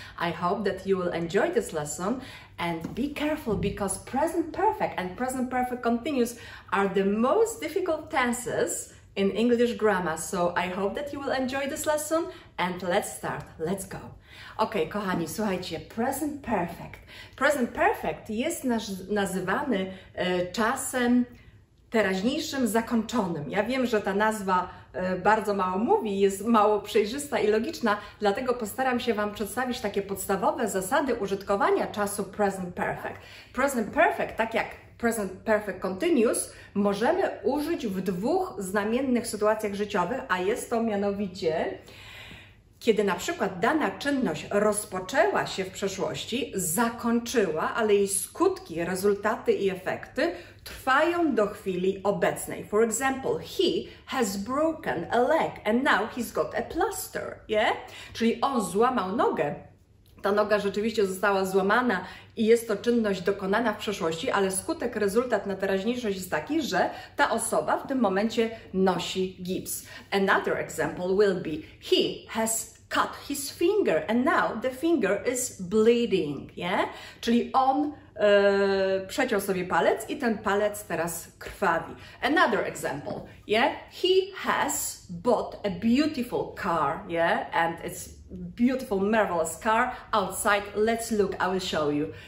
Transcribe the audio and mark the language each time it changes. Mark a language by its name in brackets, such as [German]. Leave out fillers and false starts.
[English] I hope that you will enjoy this lesson and be careful because present perfect and present perfect continuous are the most difficult tenses in English grammar. So I hope that you will enjoy this lesson and let's start. Let's go. [Polish] Okej, kochani, słuchajcie, present perfect. Present perfect jest nazywany czasem teraźniejszym zakończonym. Ja wiem, że ta nazwa bardzo mało mówi, jest mało przejrzysta i logiczna, dlatego postaram się Wam przedstawić takie podstawowe zasady użytkowania czasu present perfect. Present perfect, tak jak present perfect continuous, możemy użyć w dwóch znamiennych sytuacjach życiowych, a jest to mianowicie, kiedy na przykład dana czynność rozpoczęła się w przeszłości, zakończyła, ale jej skutki, rezultaty i efekty trwają do chwili obecnej. [English] For example, he has broken a leg and now he's got a plaster. Yeah? [Polish] Czyli on złamał nogę. Ta noga rzeczywiście została złamana i jest to czynność dokonana w przeszłości, ale skutek, rezultat na teraźniejszość jest taki, że ta osoba w tym momencie nosi gips. [English] Another example will be he has cut his finger and now the finger is bleeding. Yeah? [Polish] Czyli on przeciął sobie palec i ten palec teraz krwawi. [English] Another example, yeah? He has bought a beautiful car, yeah? And it's beautiful, marvelous car outside. Let's look, I will show you.